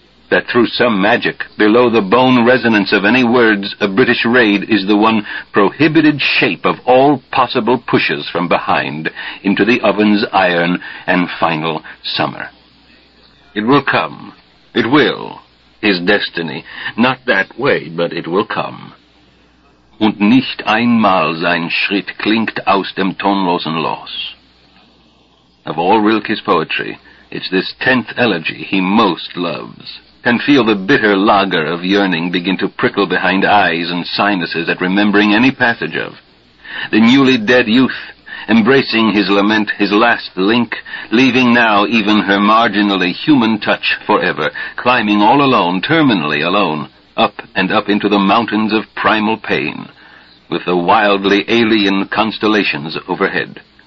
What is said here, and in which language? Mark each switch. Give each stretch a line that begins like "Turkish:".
English: That through some magic, below the bone resonance of any words, a British raid is the one prohibited shape of all possible pushes from behind into the oven's iron and final summer. It will come. It will. His destiny. Not that way, but it will come.
German: Und nicht einmal sein Schritt klingt aus dem tonlosen Los.
English: Of all Rilke's poetry, it's this tenth elegy he most loves. Can feel the bitter lager of yearning begin to prickle behind eyes and sinuses at remembering any passage of. The newly dead youth, embracing his lament, his last link, leaving now even her marginally human touch forever, climbing all alone, terminally alone, up and up into the mountains of primal pain, with the wildly alien constellations overhead.